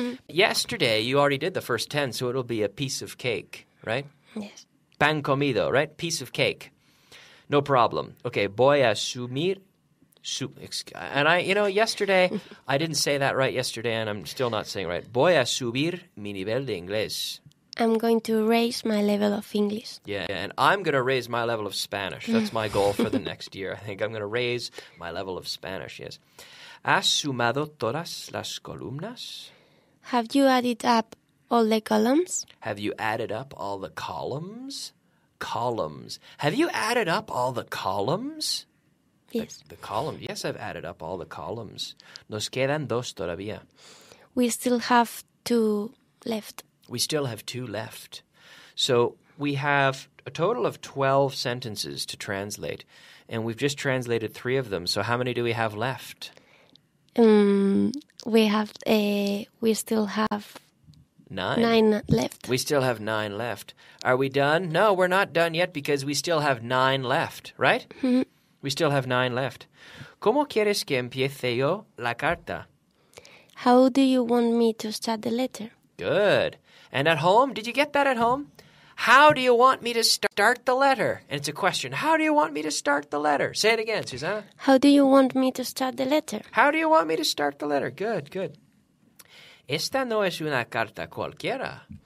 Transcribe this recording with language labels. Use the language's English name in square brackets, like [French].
[English] Yesterday, you already did the first 10, so it'll be a piece of cake, right? Yes. [Spanish] Pan comido, [English] right? Piece of cake. No problem. [Spanish] Okay, voy a sumir. [English] And I, you know, yesterday, I didn't say that right yesterday, and I'm still not saying it right. [Spanish] Voy a subir mi nivel de inglés. [English] I'm going to raise my level of English. Yeah, and I'm going to raise my level of Spanish. That's my goal for the next year. I think I'm going to raise my level of Spanish, yes. [Spanish] ¿Has sumado todas las columnas? [English] Have you added up all the columns? Have you added up all the columns? Columns. Have you added up all the columns? Yes. The columns. Yes, I've added up all the columns. [Spanish] Nos quedan dos todavía. [English] We still have two left. We still have two left. So we have a total of 12 sentences to translate, and we've just translated three of them. So how many do we have left? We still have... Nine left. We still have nine left. Are we done? No, we're not done yet because we still have nine left, right? We still have nine left. [Spanish] ¿Cómo quieres que empiece yo la carta? [English] How do you want me to start the letter? Good. And at home? Did you get that at home? How do you want me to start the letter? And it's a question. How do you want me to start the letter? Say it again, Susanna. How do you want me to start the letter? How do you want me to start the letter? Good, good. [Spanish] Esta no es una carta cualquiera.